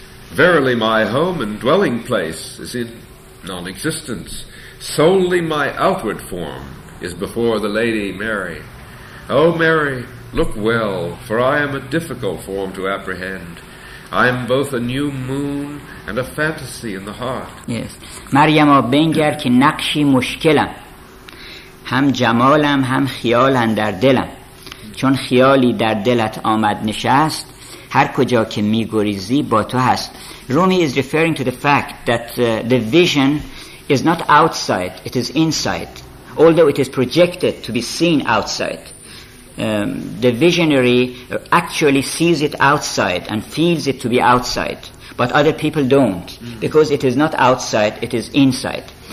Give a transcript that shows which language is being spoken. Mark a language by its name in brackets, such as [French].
[English] Verily my home and dwelling place is in non-existence. Solely my outward form is before the Lady Mary. O Mary, look well, for I am a difficult form to apprehend. I am both a new moon and a fantasy in the heart. Yes. [Persian] مریم بنگر که نقشی مشکلم. هم جمالم هم خیال اندر دلم. چون خیالی در دلت آمد نشست، هر کجا که میگریزی با تو هست. [English] Rumi is referring to the fact that the vision is not outside, it is inside, although it is projected to be seen outside. The visionary actually sees it outside and feels it to be outside, but other people don't, because it is not outside, it is inside.